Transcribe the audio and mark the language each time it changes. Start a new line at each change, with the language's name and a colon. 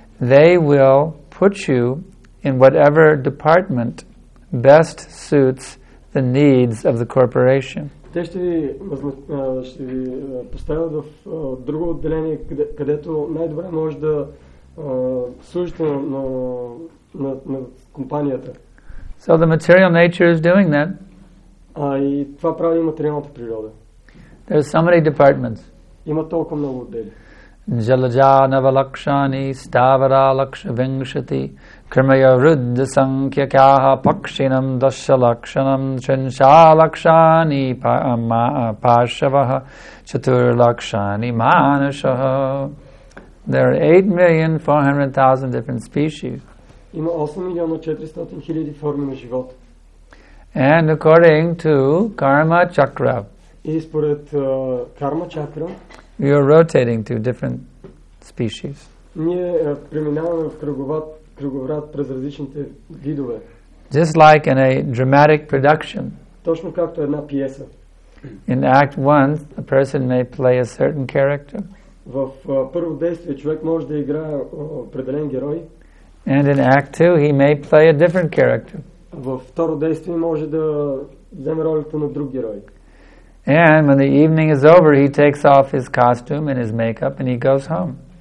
English: They will put you in whatever department best suits the needs of the corporation.
Bulgarian: Те ще ви поставят в друго отделение, където най-добре може да служите на компанията.
English: So the material nature is doing that.
Bulgarian: И това прави материалната природа.
English: There are so many departments.
Bulgarian: Има толкова много отдели.
Sanskrit: Jalaja Navalakshani Stavara Lakshavingshati Kramaya Rudh Sankhyakaha Pakshinam Dashalakshanam Chinsha Lakshani Pashavaha Chatur Lakshani Manashaha.
English: There are 8,400,000 different species.
Bulgarian: Има 8,400,000 форми на живот.
English: And according to Karma Chakra.
Bulgarian: И според Karma Chakra.
English: We are rotating to different species.
Bulgarian: Ние преминаваме в кръговрат през различните видове.
English: Just like in a dramatic production.
Bulgarian: Точно както една пиеса.
English: In act one, a person may play a certain character.
Bulgarian: В първо действие човек може да играе определен герой.
English: And in act two, he may play a different character.
Bulgarian: Във второ действие може да вземе ролята на друг герой.
English: And when the evening is over, he takes off his costume and his makeup and he goes home.